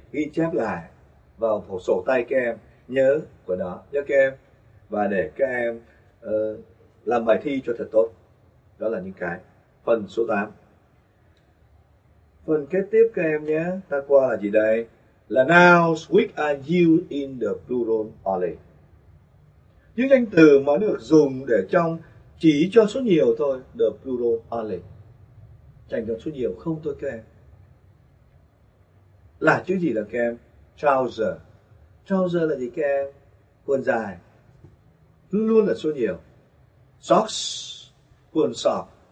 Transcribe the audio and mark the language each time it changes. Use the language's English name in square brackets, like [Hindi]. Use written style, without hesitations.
[Vietnamese] Ghi chép lại vào một sổ tay các em nhớ của nó, nhớ các em và để các em làm bài thi cho thật tốt. Đó là những cái phần số 8. Phần kế tiếp các em nhé, ta qua là gì đây? [English] Là nouns which are used in the plural only. [Vietnamese] Những danh từ mà được dùng để trong chỉ cho số nhiều thôi, [English] the plural only. [Vietnamese] Dành cho số nhiều không thôi các em. Là chữ gì là các em? Trouser. Trouser là gì các em? Quần dài. Luôn là số nhiều. Socks. Quần sọc.